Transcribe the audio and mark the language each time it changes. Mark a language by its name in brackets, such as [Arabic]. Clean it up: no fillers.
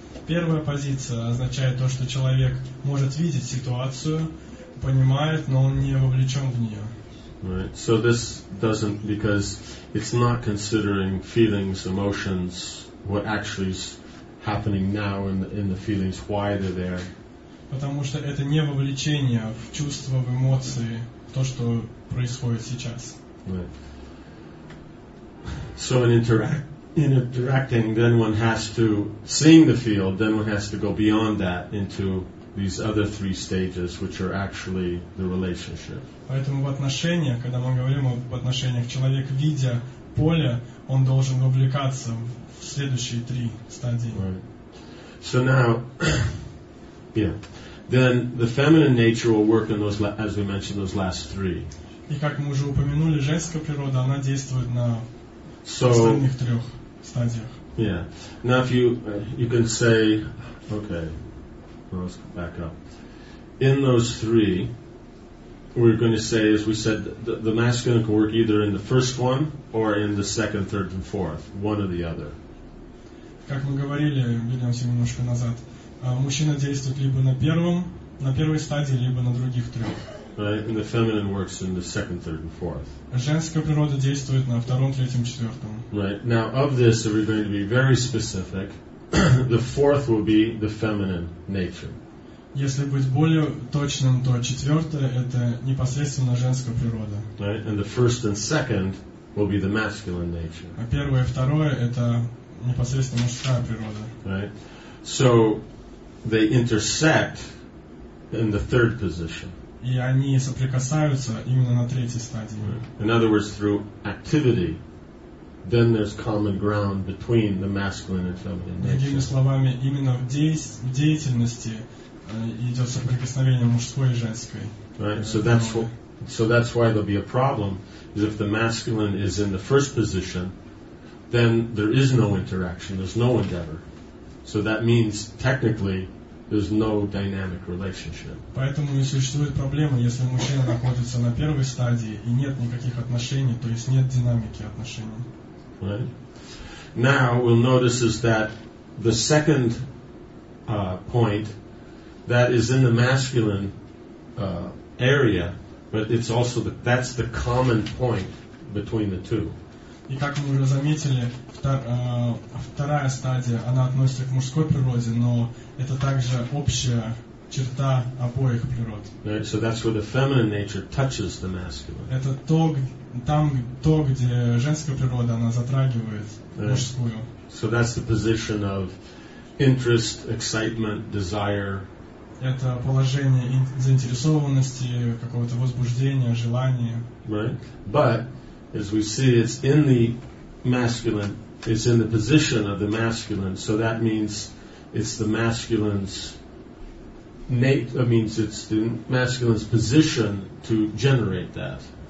[Russian] Первая позиция означает то, что человек может видеть ситуацию, понимает, но он не вовлечен в нее. [English] Right. So this doesn't, because it's not considering feelings, emotions, what actually is happening now in the feelings, why they're there. [Russian] Потому что это не вовлечение в чувства, в эмоции, в то, что происходит сейчас. [English] Right. So an interacting, then one has to, seeing the field, then one has to go beyond that into these other three stages, which are actually the relationship. [Russian] Поэтому в отношениях, когда мы говорим об отношениях, человек, видя поле, он должен вовлекаться в следующие три стадии. [English] Right. So now, yeah, then the feminine nature will work in those, as we mentioned, those last three. [Russian] И как мы уже упомянули, женская природа, она действует на остальных трех стадиях. [English] Yeah. Now if you can say, okay, let's go back up. In those three, we're going to say, as we said, the masculine can work either in the first one or in the second, third, and fourth, one or the other. [Russian] Как мы говорили, вернемся немножко назад, мужчина действует либо на первой стадии, либо на других трех. [English] Right? And the feminine works in the second, third, and fourth. [Russian] Женская природа действует на втором, третьем, четвертом. [English] Right. Now, of this, if we're going to be very specific, the fourth will be the feminine nature. [Russian] Если быть более точным, то четвертое – это непосредственно женская природа. [English] Right. And the first and second will be the masculine nature. [Russian] А первое и второе – это непосредственно мужская природа. [English] Right. So they intersect in the third position. [Russian] И они соприкасаются именно на третьей стадии. [English] In other words, through activity, then there's common ground between the masculine and feminine nature. [Russian] Другими словами, именно в деятельности идет соприкосновение мужской и женской. [English] Right. So that's why there'll be a problem, is if the masculine is in the first position, then there is no interaction, there's no endeavor. So that means technically there's no dynamic relationship. [Russian] Поэтому и существует проблема, если мужчина находится на первой стадии и нет никаких отношений, то есть нет динамики отношений. [English] Right. Now we'll notice is that the second point that is in the masculine area, but it's also that's the common point between the two. [Russian] И как мы уже заметили, вторая стадия, она относится к мужской природе, но это также общая черта обоих природ. [English] Right, so that's where the feminine nature touches the masculine. [Russian] Это то, где женская природа, она затрагивает мужскую. [English] So that's the position of interest, excitement, desire. [Russian] Это положение заинтересованности, какого-то возбуждения, желания. [English] Right, but as we see, it's in the masculine, it's in the position of the masculine, so that means it's the masculine's it's the masculine's position to generate that.